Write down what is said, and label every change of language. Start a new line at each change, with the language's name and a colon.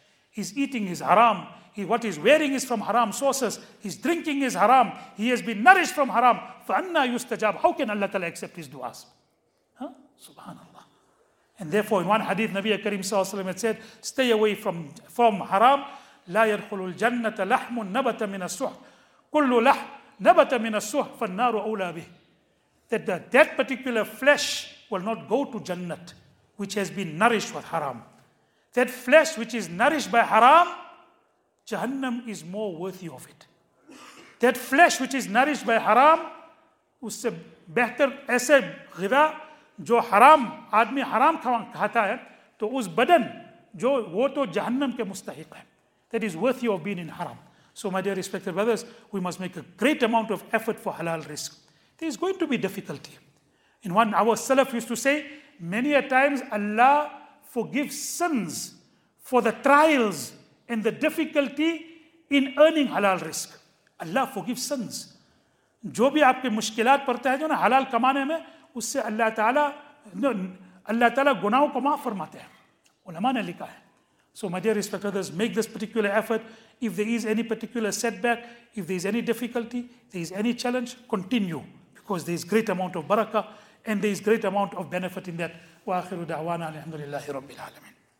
English: He's eating his haram. What he's wearing is from haram sources. He's drinking his haram. He has been nourished from haram.
Arabic: Fa anna yustajab.
English: How can Allah ta'ala accept his du'as? Huh? Subhanallah. And therefore, in one hadith, Nabi Karim sallallahu alayhi wa sallam had said, stay away from haram.
Arabic: لا يدخل الجنة لحم نبت من السحر كل لحم نبت من السحر فالنار أولى به.
English: That particular flesh will not go to Jannat, which has been nourished with haram. That flesh which is nourished by haram, Jahannam is more worthy of it. That flesh which is nourished by haram,
Urdu: usse behtar aise ghidha, جو حرام آدمی حرام کھاتا ہے تو اس بدن جو وہ تو جہنم کے مستحق ہے.
English: That is worthy of being in haram. So my dear respected brothers, we must make a great amount of effort for halal risk. There is going to be difficulty. In one, our salaf used to say, many a times Allah forgives sins for the trials and the difficulty in earning halal risk. Allah forgives sins.
Urdu: جو بھی آپ کے مشکلات پڑتا ہے جو نا حلال کمانے میں, اس سے اللہ تعالیٰ گناہوں کو معاف فرماتے ہیں. علماء نے لکھا ہے.
English: So my dear respected brothers, make this particular effort. If there is any particular setback, if there is any difficulty, there is any challenge, continue. Because there is great amount of barakah and there is great amount of benefit in that.
Arabic: وَآخِرُ دَعْوَانَا الْحَمْدُ لِلَّهِ رَبِّ الْعَالَمِينَ.